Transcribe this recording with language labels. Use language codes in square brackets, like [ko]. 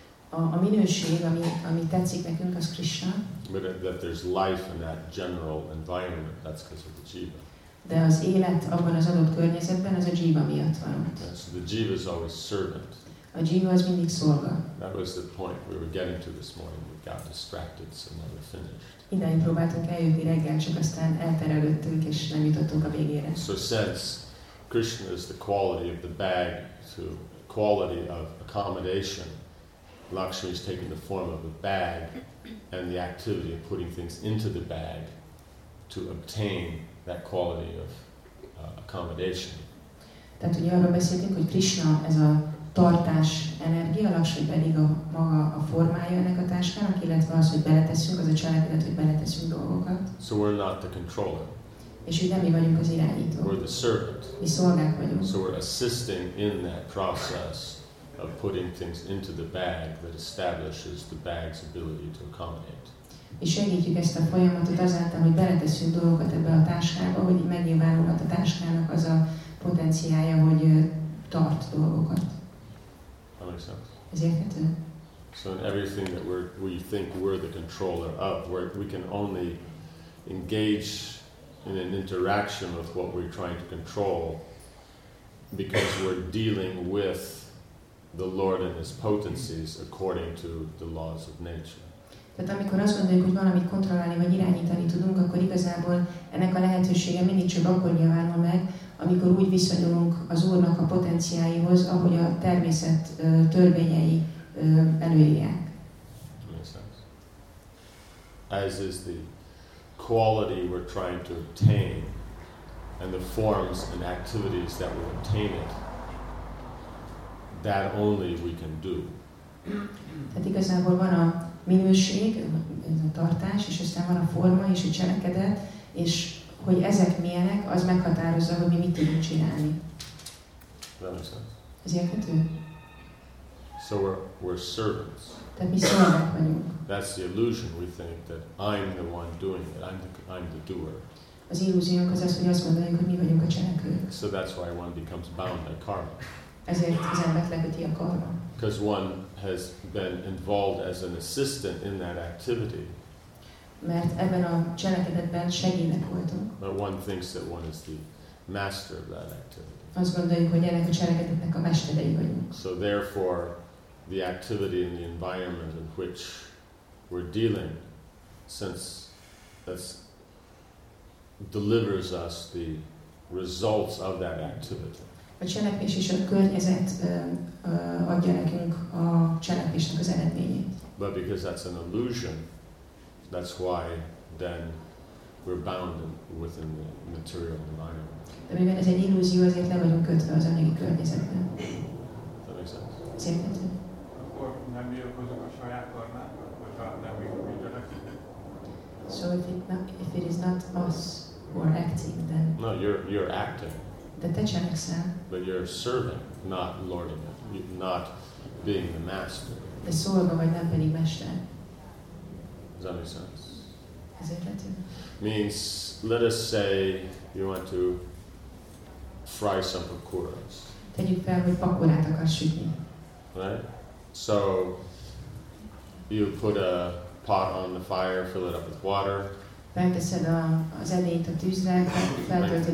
[hu] A minőség, ami tetszik nekünk, az Krishna. [en] But that there's life in that general environment, that's because of the jiva. [hu] De az élet abban az adott környezetben, az a jiva miatt van. [en] Yeah, so the jiva is always servant. [hu] A jiva az mindig szolga. [en] That was the point we were getting to this morning. We got distracted, so never finished. [hu] Idáig próbáltunk eljutni reggel, csak aztán elterelődtünk, és nem jutottunk a végére. [en] So since Krishna is the quality of the bag, to quality of accommodation, Lakshmi is taking the form of a bag, and the activity of putting things into the bag to obtain that quality of accommodation. [hu] Tehát ugye arról beszéltünk, hogy Krishna ez a tartás energia, Lakshmi pedig a maga a formája ennek a táskának, illetve az, hogy beleteszünk, az a cselekedet, hogy beleteszünk dolgokat. [en] So we're not the controller. [hu] És ugye mi vagyunk az irányító. [en] We're the servant. [hu] Mi szolgák vagyunk. [en] So we're assisting in that process of putting things into the bag that establishes the bag's ability to accommodate. [hu] És segítjük ezt a folyamatot azáltal, hogy beleteszünk dolgokat ebbe a táskába, hogy megnyilvánulhat a táskának az a potenciája, hogy tart dolgokat. [en] That makes sense. Is it? So in everything that we think we're the controller of, where we can only engage in an interaction with what we're trying to control, because we're dealing with the Lord and His potencies according to the laws of nature. [hu] Tehát amikor azt gondoljuk, hogy valamit kontrollálni vagy irányítani tudunk, akkor igazából ennek a lehetősége mindig csak akkor nyilvánul meg, amikor úgy viszonyulunk az Úrnak a potenciáihoz, ahogy a természet törvényei előírják. [en] As is the quality we're trying to obtain, and the forms and activities that will obtain it, that only we can do. [hu] Tehát igazából van a minőség, ez a tartás, és aztán van a forma és a cselekedet, és hogy ezek milyenek, az meghatározza, hogy mi mit tudunk csinálni. Ez érthető? [en] So we're servants. [hu] Tehát mi szolgák vagyunk. [en] That's the illusion we think that I'm the one doing it, I'm the doer. [hu] Az illúziónk az, hogy azt gondoljuk, hogy mi vagyunk a cselekvők. [en] So that's why one becomes bound by karma. [hu] Ezért az embert leköti a karma. [en] Because one has been involved as an assistant in that activity. [hu] Mert ebben a cselekedetben segédek voltunk. [en] But one thinks that one is the master of that activity. [hu] Azt gondoljuk, hogy ennek a cselekedetnek a mesterei vagyunk. [en] So therefore, the activity and the environment in which we're dealing, since that's delivers us the results of that activity. [hu] A cselekvés és a környezet adja nekünk a cselekvésnek az eredményét. [en] But because that's an illusion, that's why then we're bound within the material environment. [hu] De mivel ez egy illúzió, azért le vagyunk kötve az anyagi környezetben. [en] That makes sense. [hu] Szépen. Akkor nem mi okozunk a saját karmát, vagy nem mi gyerekünk. [en] So if it is not us who are acting, then no, you're acting. [hu] De te cselekszel. [en] But you're serving, not lording it, not being the master. [hu] De szolga vagy, nem pedig mester. [en] Does that make sense? [hu] Ez érthető. [en] Means, let us say you want to fry some pakoras. [hu] Tegyük fel, hogy pakorát akarsz sütni. [en] Right? So you put a pot on the fire, fill it up with water. [hu] Felteszed az edényt a tűzre, feltöltöd vízzel.